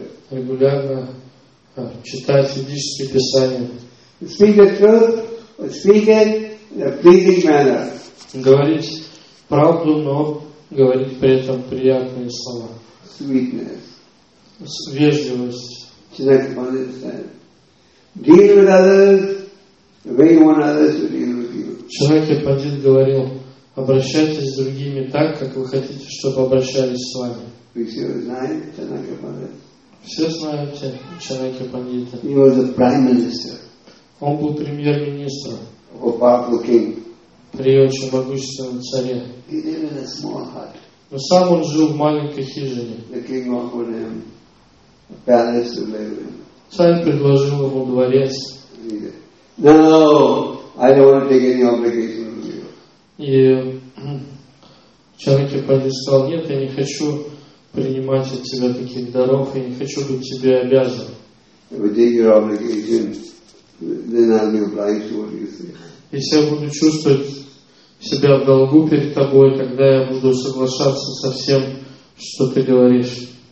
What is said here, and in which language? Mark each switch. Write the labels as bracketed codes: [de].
[ru] Регулярно читать ведические писания. Говорить правду, но говорить при этом приятные слова. [en] Sweetness. [ru] Вежливость. [en] Chinak Pandit said, deal with others the way you want others to deal with you. [ru] Chinak Pandit говорил, обращайтесь с другими так, как вы хотите, чтобы обращались с вами. Все знают Чанакья Пандита. [en] He was the prime minister. [ru] Он был премьер-министром. [en] Of a powerful king. [ru] При очень могущественном царе. [en] He lived in a small hut. [ru] Но сам он жил в маленькой хижине. [en] The king offered him a palace to live in. [ru] Царь предложил ему дворец. [en] No, no, I don't want to take any obligation from you. [ru] И Чанакья Пандит сказал, нет, я не хочу принимать от тебя таких даров, я не хочу быть тебе обязан. Если я буду чувствовать себя в долгу перед тобой, тогда я буду соглашаться со всем, что ты говоришь.